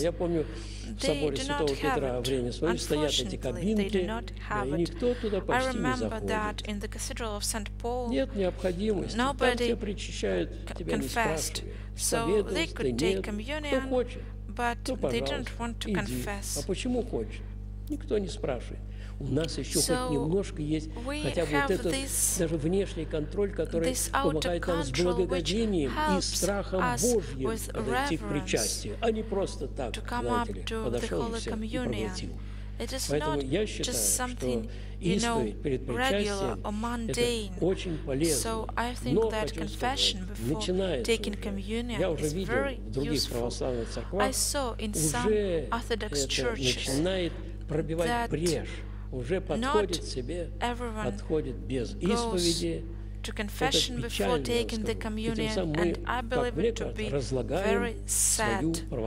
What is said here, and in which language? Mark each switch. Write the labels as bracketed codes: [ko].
[en] they do not have it, unfortunately, they do not have it. I remember that in the Cathedral of St. Paul, nobody confessed, so they could take communion, but they didn't want to confess. [ru] А почему хочешь? Никто не спрашивает. У нас еще хоть немножко есть хотя бы вот этот даже внешний контроль, который помогает нам с благоговением и страхом Божьим подойти к причастию, а не просто так, знаете ли, подошел и все, и проглотил. Поэтому я считаю, что исповедь перед причастием это очень полезно. Но хочу сказать, начинается уже, я уже видел в других православных церквах, уже это начинает пробивать брешь. Уже подходит себе, подходит без исповеди, [en] to confession before taking the communion, and I believe it to be very sad.